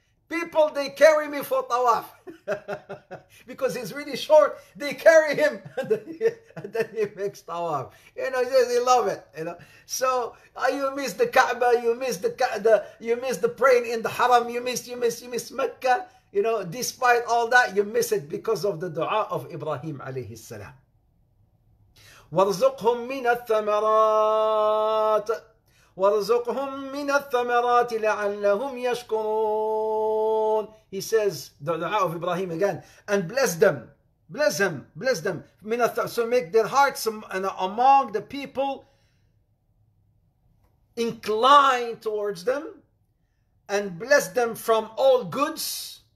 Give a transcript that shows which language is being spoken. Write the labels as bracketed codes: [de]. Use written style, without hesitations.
[en] People, they carry me for tawaf. Because he's really short, they carry him and then he makes tawaf. You know, he says he love it, you know. So you miss the Kaaba, you miss you miss the praying in the Haram, you miss Mecca. You know, despite all that, you miss it because of the dua of Ibrahim alayhi salam. [ar] وارزقهم من الثمرات وارزقهم من الثمرات لعلهم يشكرون. [en] He says the dua of Ibrahim again, and bless them, bless them, bless them. So make their hearts among the people inclined towards them, and bless them from all goods.